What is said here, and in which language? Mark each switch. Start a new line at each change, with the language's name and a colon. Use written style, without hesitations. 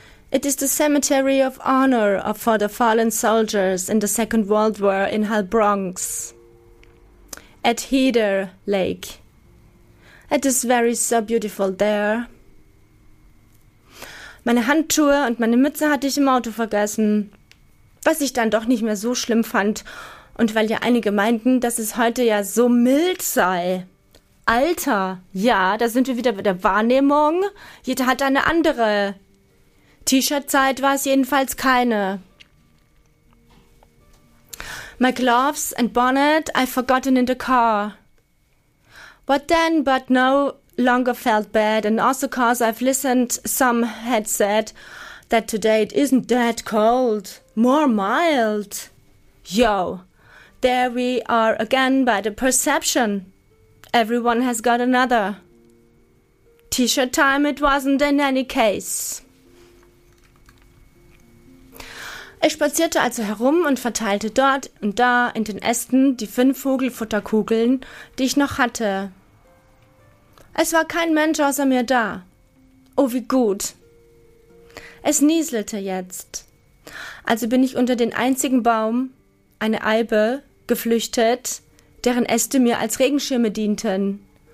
English: It is the cemetery of honor for the fallen soldiers in the Second World War in Heilbronn at Heder Lake. It is very so beautiful there.
German: Meine Handschuhe und meine Mütze hatte ich im Auto vergessen, was ich dann doch nicht mehr so schlimm fand. Und weil ja einige meinten, dass es heute ja so mild sei. Alter, ja, da sind wir wieder bei der Wahrnehmung. Jeder hat eine andere. T-Shirt-Zeit war es jedenfalls keine.
English: My gloves and bonnet I've forgotten in the car. What then but no longer felt bad, and also cause I've listened some had said that today it isn't that cold, more mild. Yo. There we are again by the perception. Everyone has got another. T-shirt time it wasn't in any case.
German: Ich spazierte also herum und verteilte dort und da in den Ästen die 5 Vogelfutterkugeln, die ich noch hatte. Es war kein Mensch außer mir da. Oh, wie gut. Es nieselte jetzt. Also bin ich unter den einzigen Baum, eine Eibe, geflüchtet, deren Äste mir als Regenschirme dienten.